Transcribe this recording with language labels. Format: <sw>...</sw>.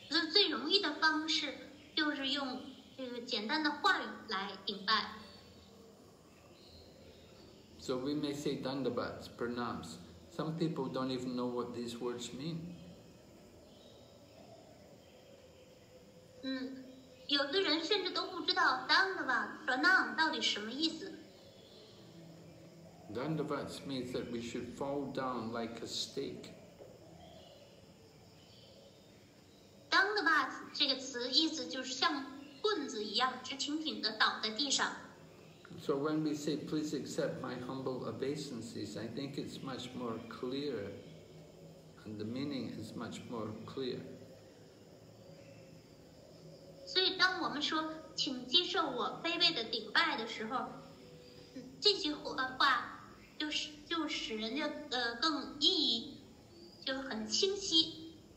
<zh>最容易的方式就是用简单的话语来顶拜。</zh> <en>So we may say dandavats, pranams. Some people don't even know what these words mean.</en> <zh>有的人甚至都不知道 Dandavan Pranam 到底什么意思。</zh> <en>Dandavan means that we should fall down like a stick.</en> <zh>Dandavan 这个词意思就是像棍子一样直挺挺地倒在地上。</zh> <en>So when we say, please accept my humble obeisances, I think it's much more clear, and the meaning is much more clear.</en> <zh>所以当我们说请接受我卑微的顶拜的时候，这句话就使人家更意义就很清晰。</zh>